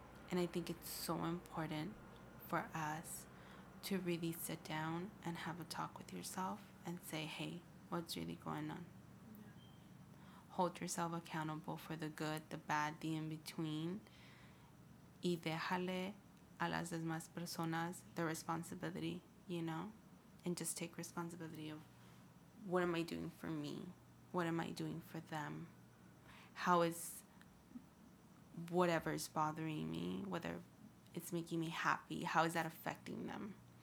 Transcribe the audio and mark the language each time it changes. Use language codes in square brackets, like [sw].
[en] And I think it's so important for us to really sit down and have a talk with yourself and say, hey, what's really going on? Yeah. Hold yourself accountable for the good, the bad, the in-between. [es] Y déjale a las demás personas [en] the responsibility, you know? And just take responsibility of, what am I doing for me? What am I doing for them? How is whatever is bothering me, whether it's making me happy, how is that affecting them?